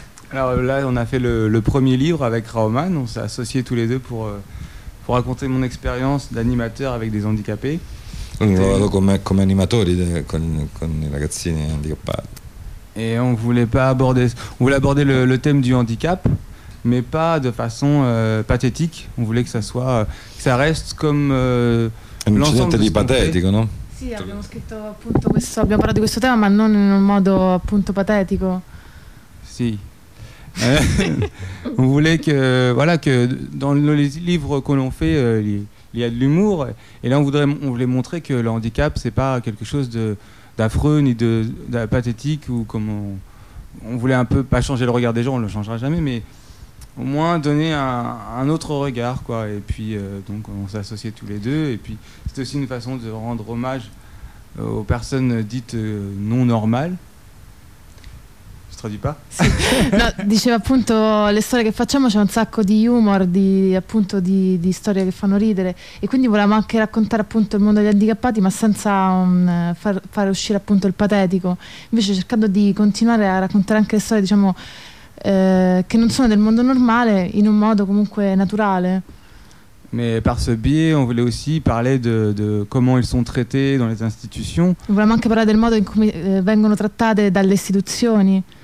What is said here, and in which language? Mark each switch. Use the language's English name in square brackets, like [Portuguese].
[French] Alors là, on a fait le premier livre avec Rauman. On s'est associés tous les deux pour raconter mon expérience d'animateur avec des handicapés. On travaille comme animateur avec les ragazzini handicapés. Et on voulait pas aborder, le thème du handicap, mais pas de façon pathétique. On voulait que ça soit, que ça reste comme [Italian] non c'è niente di patetico, no? Sì, abbiamo scritto appunto questo, abbiamo parlato di questo tema, ma non in un modo appunto patetico. Sì. [French] On voulait que voilà que dans les livres que l'on fait il y a de l'humour, et là on voulait montrer que le handicap c'est pas quelque chose d'affreux ni de pathétique, ou comme on voulait un peu pas changer le regard des gens, on le changera jamais, mais au moins donner un autre regard, quoi. Et puis donc on s'est associés tous les deux, et puis c'est aussi une façon de rendre hommage aux personnes dites non normales. Je traduis pas. [Italian] Sì. No, diceva appunto le storie che facciamo c'è un sacco di humor, di storie che fanno ridere, e quindi volevamo anche raccontare appunto il mondo degli handicappati, ma senza far uscire appunto il patetico, invece cercando di continuare a raccontare anche le storie, diciamo, che non sono del mondo normale, in un modo comunque naturale. [French] Mais par ce biais, on voulait aussi parler de comment ils sont traités dans les institutions. [Italian] Vogliamo anche parlare del modo in cui vengono trattate dalle istituzioni.